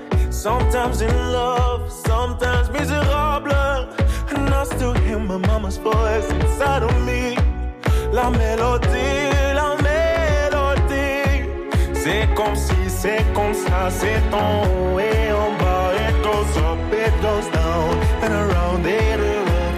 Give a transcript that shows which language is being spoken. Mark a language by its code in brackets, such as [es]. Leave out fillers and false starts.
[en] Sometimes in love, sometimes miserable. And I still hear my mama's voice inside of me. [fr] La mélodie, c'est comme si, c'est comme ça, c'est en haut et en bas. [en] It goes up, it goes down, and around it around.